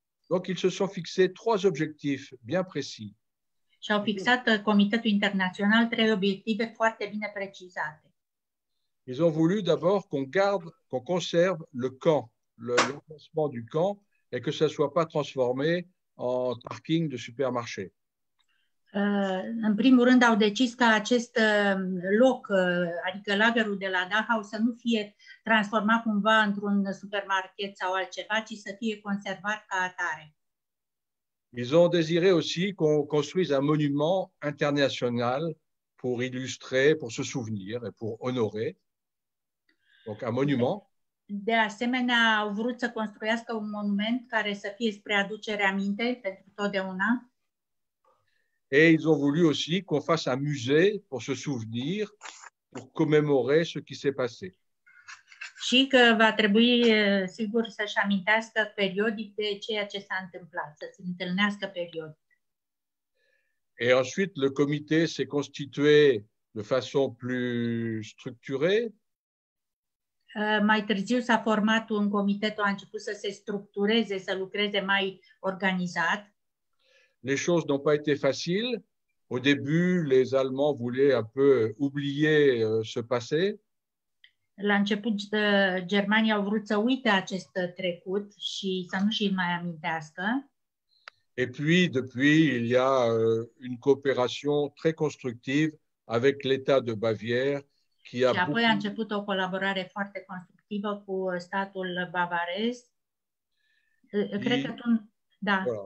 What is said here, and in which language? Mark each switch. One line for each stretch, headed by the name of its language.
French: Donc, ils se sont fixés trois objectifs bien précis.
Romanian: Și-au fixat Comitetul Internațional trei obiective foarte bine precizate.
French: Ils ont voulu d'abord qu'on garde, qu'on conserve le camp, l'emplacement du camp, et que ça ne soit pas transformé en parking de supermarché.
Romanian: În primul rând au decis ca acest loc, adică lagerul de la Dachau, să nu fie transformat cumva într-un supermarket sau altceva, ci să fie conservat ca atare.
French: Ils ont désiré aussi qu'on construise un monument international pour illustrer, pour se souvenir et pour honorer. Donc un monument.
Romanian: De asemenea, au vrut să construiască un monument care să fie spre aducere aminte pentru totdeauna.
French: Et ils ont voulu aussi qu'on fasse un musée pour se souvenir, pour commémorer ce qui s'est passé.
Romanian: Și că va trebui, sigur, să-și amintească periodic de ceea ce s-a întâmplat, să se întâlnească periodic.
French: Et ensuite, le comité s'est constitué de façon plus structurée.
Romanian: Mai târziu s-a format un comitet, a început să se structureze, să lucreze mai organizat.
French: Les choses n'ont pas été faciles. Au début, les Allemands voulaient un peu oublier ce passé.
Romanian: La început, Germania a vrut să uite acest trecut și să nu și-l mai amintească.
French: Et puis, depuis, il y a une coopération très constructive avec l'État de Bavière qui a beaucoup...
Romanian: Și apoi a început o colaborare foarte constructivă cu statul bavarez. Cred că tu... Da.